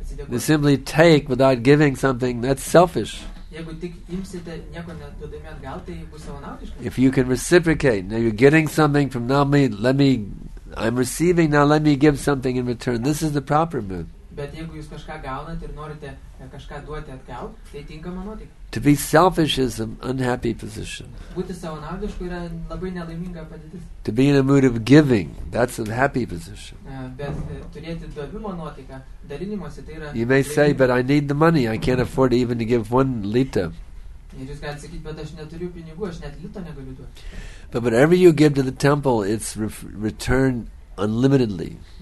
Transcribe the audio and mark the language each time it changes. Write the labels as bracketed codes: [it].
[en] To simply take without giving something, that's selfish. If you can reciprocate, now you're getting something from now me, let me, I'm receiving, now let me give something in return. This is the proper move. [lt] Bet jeigu jūs kažką gaunat ir norite kažką duoti atgal, tai tinkama nuotik. [en] To be selfish is an unhappy position. [lt] Būti savanaudišku yra labai nelaiminga padėtis. [en] To be in a mood of giving, that's a happy position. [lt] Bet turėti davimo nuotiką, dalinimosi, tai yra... [en] You may say, but I need the money, I can't afford even to give 1 litą. [lt] Ir jūs galite sakyti, bet aš neturiu pinigų, aš net lito negaliu duoti. [en] But whatever you give to the temple, it's return unlimitedly.